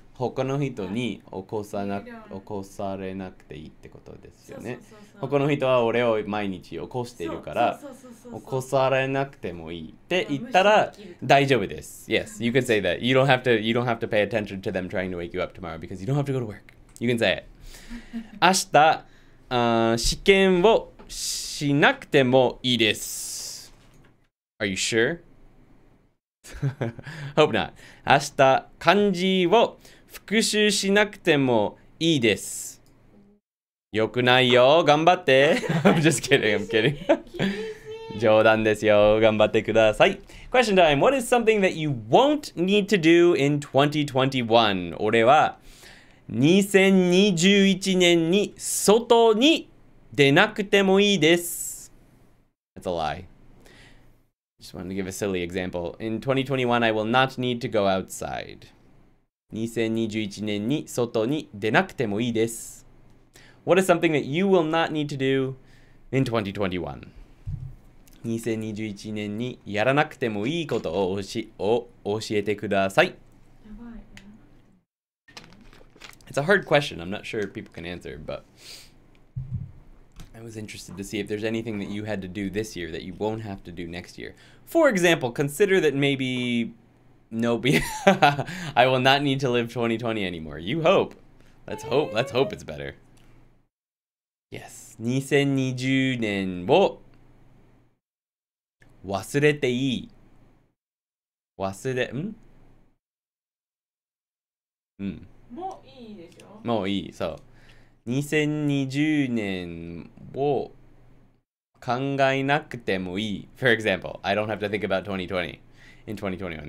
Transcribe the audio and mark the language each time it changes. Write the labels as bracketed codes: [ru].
[ja] 他の人に起こされなくていいってことですよね。他の人は俺を毎日起こしているから起こされなくてもいいって言ったら大丈夫です。 [en] Yes, you can say that. You don't have to pay attention to them trying to wake you up tomorrow because you don't have to go to work. You can say it. [ja] 明日、試験をしなくてもいいです。 [en] Are you sure? Hope not. [ja] 明日、漢字を復習しなくてもいいです。よくないよ、頑張って。 [en] I'm just kidding, I'm kidding. [ja] 冗談ですよ、頑張ってください。 [en] Question time. What is something that you won't need to do in 2021? [ja] 俺は2021年に外に出なくてもいいです。 [en] That's a lie. Just wanted to give a silly example. In 2021, I will not need to go outside. [ja] 2021年に外に出なくてもいいです。 [en] What is something that you will not need to do in 2021? [ja] 2021年にやらなくてもいいことを教えてください。 [en] It's a hard question. I'm not sure people can answer, but I was interested to see if there's anything that you had to do this year that you won't have to do next year. For example, consider that maybe I will not need to live 2020 anymore. You hope. Let's hope it's better. Yes. [ja] 2020年を忘れていい。忘れ、ん？うん。もういいでしょ？もういい、そう。 2020年を考えなくてもいい。 [en] For example, I don't have to think about 2020 in 2021.